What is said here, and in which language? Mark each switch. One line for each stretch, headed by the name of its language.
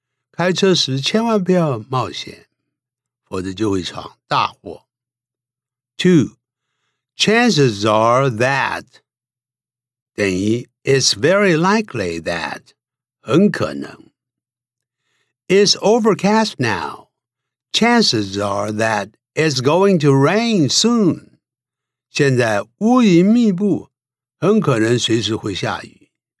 Chinese: 开车时千万不要冒险，否则就会闯大祸。 2.
English: Chances are that,
Chinese: 等于
English: it's very likely that,
Chinese: 很可能。
English: It's overcast now. Chances are that it's going to rain soon.
Chinese: 现在乌云密布，很可能随时会下雨。